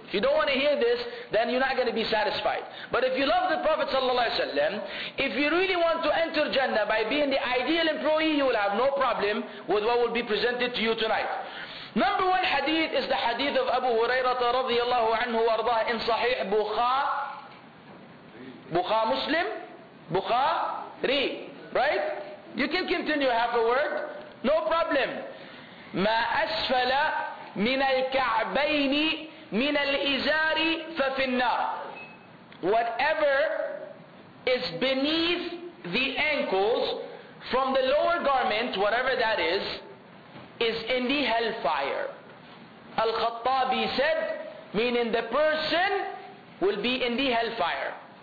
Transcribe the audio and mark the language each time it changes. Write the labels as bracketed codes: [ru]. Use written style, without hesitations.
[en] If you don't want to hear this, then you're not going to be satisfied. But if you love the Prophet ﷺ, if you really want to enter Jannah by being the ideal employee, you will have no problem with what will be presented to you tonight. Number one hadith is the hadith of Abu Hurairah radiallahu anhu warḍah in Sahih Bukhā Muslim, Bukhāri, right? You can continue half a word, no problem. [ar] ما أسفل من الكعبين من الإزار ففي النار. [en] Whatever is beneath the ankles from the lower garment, whatever that is in the hellfire. Al-Khattabi said, meaning the person will be in the hellfire.